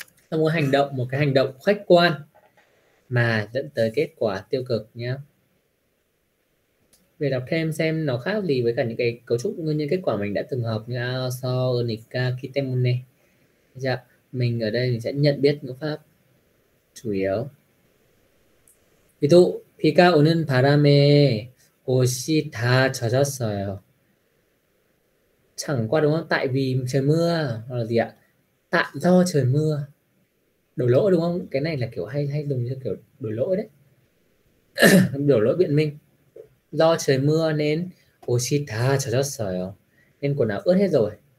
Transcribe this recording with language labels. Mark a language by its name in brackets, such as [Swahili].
[Vietnamese] Nó muốn hành động, một cái hành động khách quan mà dẫn tới kết quả tiêu cực nhá. Để đọc thêm xem nó khác gì với cả những cái cấu trúc nguyên nhân kết quả mình đã từng học như Aso, Nika, Kitemune. Dạ. Mình ở đây mình sẽ nhận biết ngữ pháp chủ yếu. Ví dụ, [Korean] 비가 오는 바람에 옷이 다 젖었어요. [Vietnamese] Chẳng qua đúng không? Tại vì trời mưa hoặc là gì ạ? Tại do trời mưa. Đổ lỗi đúng không? Cái này là kiểu hay hay dùng cho kiểu đổ lỗi đấy. Đổ lỗi biện minh. Do trời mưa nên [Korean] 옷이 다 젖었어요. [Vietnamese] Nên quần áo ướt hết rồi.